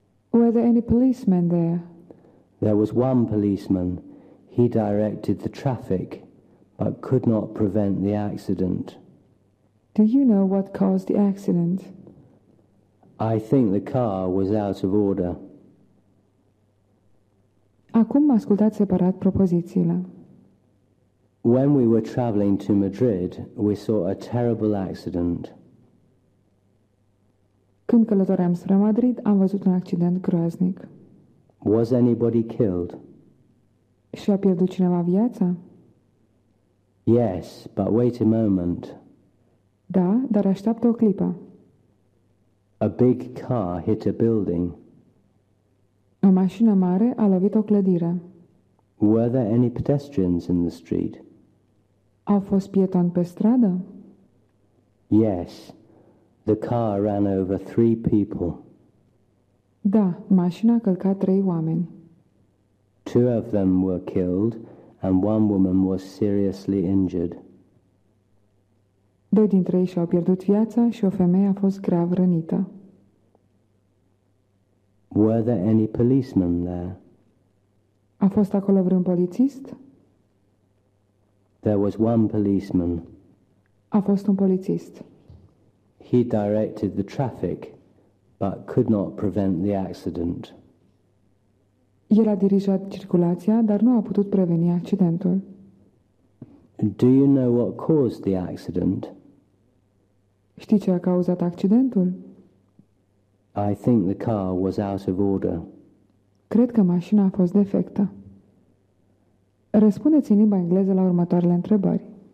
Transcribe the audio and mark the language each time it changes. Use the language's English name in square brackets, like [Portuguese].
[English] Were there any policemen there? There was 1 policeman. He directed the traffic, but could not prevent the accident. Do you know what caused the accident? I think the car was out of order. [Romanian] Acum ascultați separat propozițiile. [English] When we were traveling to Madrid, we saw a terrible accident. [Romanian] Când călătoream spre Madrid, am văzut un accident groaznic. [English] Was anybody killed? [Romanian] Și a pierdut cineva viața? [English] Yes, but wait a moment. [Romanian] Da, dar așteaptă o clipă. [English] A big car hit a building. [Romanian] O mașină mare a lovit o clădire. [English] Were there any pedestrians in the street? [Romanian] Au fost pietoni pe stradă? [English] Yes, the car ran over 3 people. [Romanian] Da, mașina a călcat 3 oameni. [English] 2 of them were killed and 1 woman was seriously injured. [Romanian] 2 dintre ei și-au pierdut viața și o femeie a fost grav rănită. [English] Were there any policemen there? [Romanian] A fost acolo vreun polițist? [English] There was 1 policeman. [Romanian] A fost un polițist. [English] He directed the traffic but could not prevent the accident. [Romanian] El a dirijat circulația, dar nu a putut preveni accidentul. [English] Do you know what caused the accident? [Romanian] Știi ce a cauzat accidentul? [English] I think the car was out of order. [Romanian] Cred că mașina a fost defectă. Răspundeți în limba engleză la următoarele întrebări.